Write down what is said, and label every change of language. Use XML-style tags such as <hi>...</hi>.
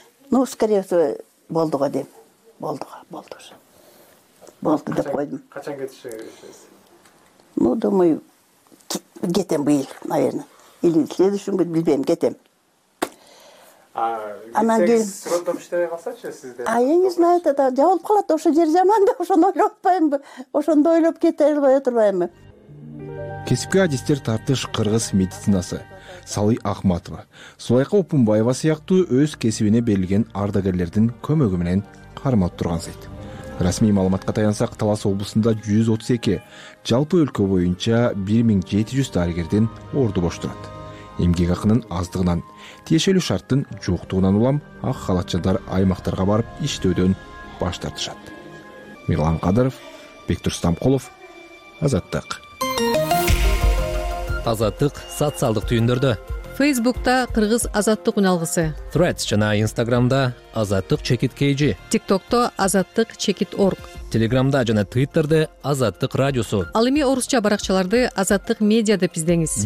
<ru>Ну, скорее всего,</ru> <ky>болду го дем. Болду го, болду же. Болду деп койдум. Качан кетиши керексиз?</ky> <ru>Ну, думаю,</ru> <ky>кетем быйыл,</ky> <ru>наверное. Или следующий будет,</ru> <ky>билбейм, кетем. А кетсеңиз фронтом иштебей калсачы сизде?</ky> <ru>А я не знаю, тогда</ru> <ky>жабылып калат, ошо жер жаман да, ошону ойлоп атпаймынбы, ошондо ойлоп кете албай отурбаймынбы. Кесипке адистер тартыш кыргыз медицинасы Салый Ахматова, Сулайка Опунбаева сыяктуу өз кесибине берилген ардагерлердин көмөгү менен кармалып турган сайт. Расмий маалыматка таянсак, Талас облусунда 132, жалпы өлкө боюнча 1700 дарыгердин орду бош турат. Эмгек акынын аздыгынан, тиешелүү шарттын жоктугунан улам ак халат жандар аймактарга барып иштөөдөн баш тартышат. Мирлан Кадыров, Бектур Стамкулов, Азаттык. Азаттык социалдык түйүндөрдө. Фейсбукта кыргыз азаттык уналгысы. Threads жана Instagramда азаттык чекит KG. TikTokто азаттык чекит org. Телеграмда жана Twitterде азаттык радиосу. Ал эми орусча баракчаларды азаттык медиа деп издеңиз.</ky>